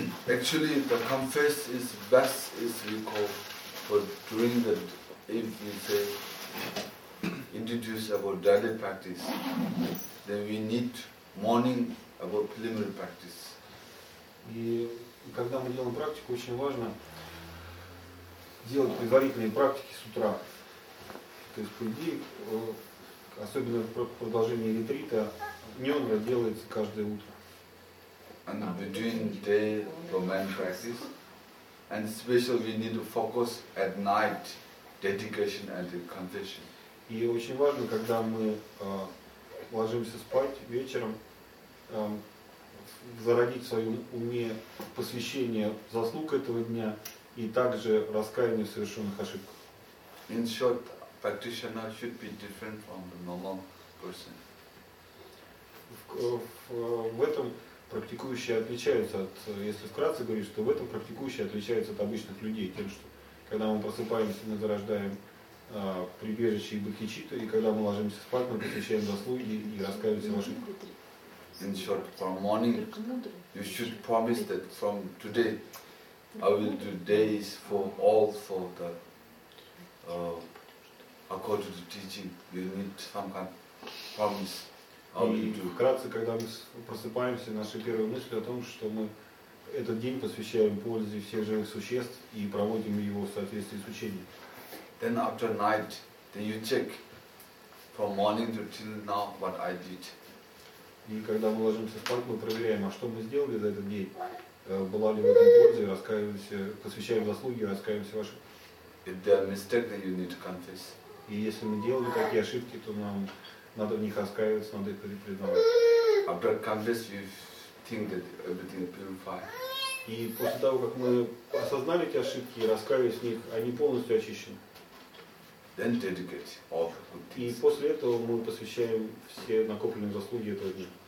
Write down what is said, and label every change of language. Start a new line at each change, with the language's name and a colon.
English: Actually, the confess is best is we call for during the, if we say, introduce our daily practice, then we need morning about preliminary practice.
Russian: И когда мы делаем практику, очень важно делать предварительные практики с утра. То есть люди, особенно в продолжении ретрита, нёндра делается каждое утро.
English: And between day domain practice, and especially we need to focus at night dedication and confession.
Russian: И очень важно, когда мы ложимся спать вечером, зародить в своем уме посвящение заслуг этого дня и также раскаяние в совершенных ошибках.
English: In short, practitioner should be different from the normal person.
Russian: В этом практикующий отличается от, если вкратце говорить, что в этом практикующий отличается от обычных людей тем, что когда мы просыпаемся, мы зарождаем прибежище и бодхичитту, и когда мы ложимся спать, мы посвящаем заслуги и раскаиваемся в ошибках.
English: In short, from morning, you should promise that from today, I will do days for all for the according to teaching. You need some kind of promise.
Russian: И вкратце, когда мы просыпаемся, наши первые мысли о том, что мы этот день посвящаем пользе всех живых существ и проводим его в соответствии с учением.
English: Then after night, then you check from morning to till now what I did.
Russian: И когда мы ложимся спать, мы проверяем, а что мы сделали за этот день, была ли в этом польза, и раскаиваемся, посвящаем заслуги, раскаиваемся в ошибках.
English: If there are mistakes, then you need to confess.
Russian: И если мы делали такие ошибки, то нам надо в них раскаиваться, надо их признавать.
English: After confess, you think that everything is purified.
Russian: И после того, как мы осознали эти ошибки и раскаялись в них, они полностью очищены.
English: Then dedicate all the good things.
Russian: И после этого мы посвящаем все накопленные заслуги этого дня.